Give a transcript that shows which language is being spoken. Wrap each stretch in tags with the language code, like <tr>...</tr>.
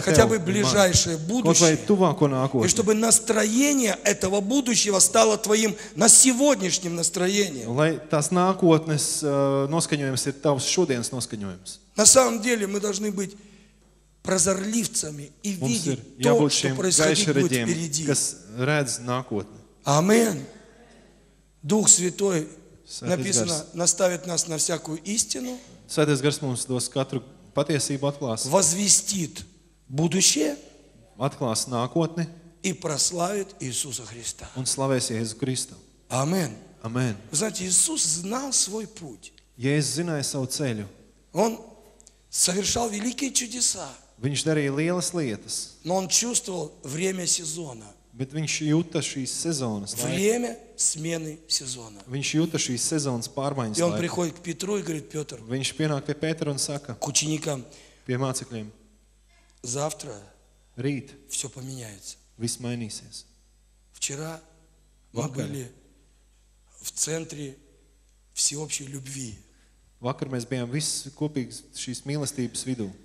<ru>хотя tev, бы ближайшее будущее.</ru> <lv>Tuvāko nākotni.</lv> <ru>И чтобы настроение этого будущего стало твоим на сегодняшнем настроении.</ru> <lv>Lai tās nākotnes noskaņojums ir tavs šodienas noskaņojums.</lv> <ru>На самом деле мы должны быть прозорливцами и видеть то, что происходит впереди.</ru> <lv>Kas redz nākotni.</lv> <ru>Амен. Дух Святой написано, наставит нас на всякую истину.</ru> <lv>Святой Гарс mums dos katru patiesību atklās.</lv> <ru>Возвестит будущее.</ru> <lv>Atklās nākotni.</lv> <ru>И прославит Иисуса Христа.</ru> <lv>Un slavēs Jēzu Kristu. Amen. Amen.</lv> <ru>Знаете, Иисус знал свой путь.</ru> <lv>Jēzus zināja savu ceļu.</lv> <ru>Он совершал великие чудеса.</ru> <lv>Viņš darīja lielas lietas.</lv> <ru>Но он чувствовал время сезона.</ru> <lv>Bet viņš jūta šīs sezonas laiku.</lv> <ru>Время смены сезона.</ru> <lv>Viņš jūta šīs sezonas pārmaiņas</lv> <ru>laiku. И он приходит к Петру и говорит, Петр,</ru> <lv>Viņš pienāk pie Pētera un saka,</lv> <ru>к ученикам,</ru> <lv>pie mācekļiem,</lv> <ru>завтра,</ru> <lv>rīt,</lv> <ru>все поменяется.</ru> <lv>Viss mainīsies.</lv> <ru>Вчера мы были в центре всеобщей любви.</ru> <lv>Vakar mēs bijām viss kopīgs šīs mīlestības vidū.</lv>